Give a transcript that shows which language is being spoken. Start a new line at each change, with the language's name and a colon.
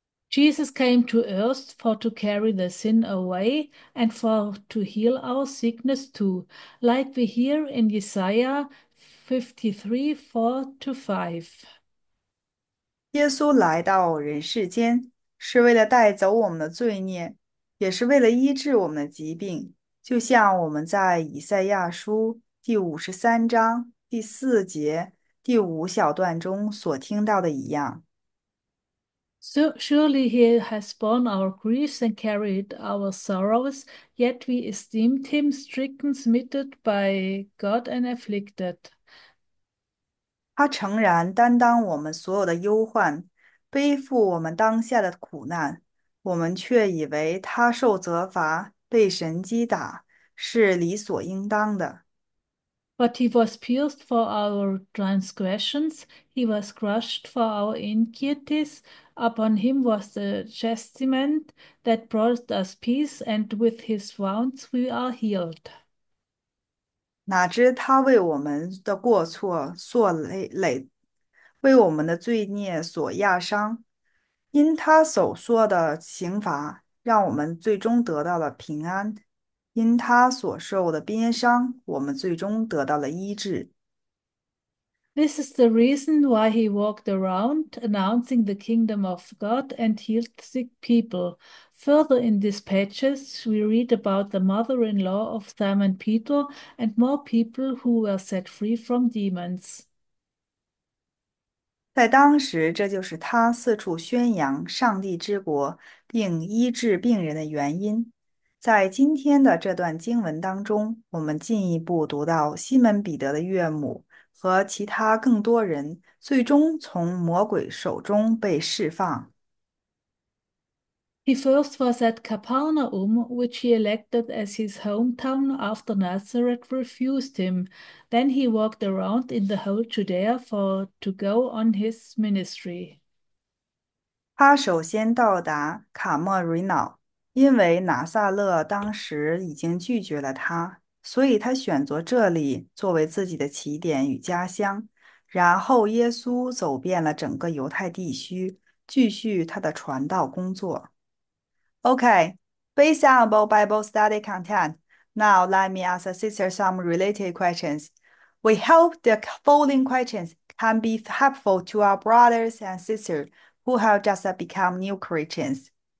English: Jesus came to earth for to carry the sin away and for to heal our sickness too, like we hear in Isaiah 53, 4 to 5.
Chinese: 耶稣来到人世间，是为了带走我们的罪孽，也是为了医治我们的疾病。就像我们在以赛亚书第53章第4节第五小段中所听到的一样。
English: So surely he has borne our griefs and carried our sorrows, yet we esteemed him stricken, smitten by God and afflicted.
Chinese: 他诚然担当我们所有的忧患，背负我们当下的苦难，我们却以为他受责罚、被神击打是理所应当的。
English: But he was pierced for our transgressions, he was crushed for our iniquities. Upon him was the chastisement that brought us peace, and with his wounds we are healed.
Chinese: 哪知他为我们的过错所累，为我们的罪孽所压伤，因他所受的刑罚，让我们最终得到了平安；因他所受的鞭伤，我们最终得到了医治。
English: This is the reason why he walked around announcing the kingdom of God and healed sick people. Further in dispatches, we read about the mother-in-law of Simon Peter and more people who were set free from demons.
Chinese: 在当时，这就是他四处宣扬上帝之国并医治病人的原因。在今天的这段经文当中，我们进一步读到西门彼得的岳母和其他更多人最终从魔鬼手中被释放。
English: He first was at Capernaum, which he elected as his hometown after Nazareth refused him. Then he walked around in the whole Judea for to go on his ministry.
Chinese: 他首先到达卡莫瑞瑙，因为拿撒勒当时已经拒绝了他，所以他选择这里作为自己的起点与家乡。然后耶稣走遍了整个犹太地区，继续他的传道工作。
English: OK，based on our Bible study content, now let me ask the sister some related questions. We hope the following questions can be helpful to our brothers and sisters who have just become new Christians.